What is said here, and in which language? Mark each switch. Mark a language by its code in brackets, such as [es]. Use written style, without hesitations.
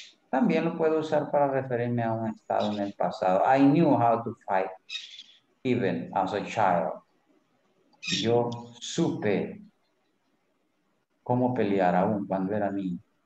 [es] También lo puedo usar para referirme a un estado en el pasado. [en] I knew how to fight even as a child. [es] Yo supe cómo pelear aún cuando era niño.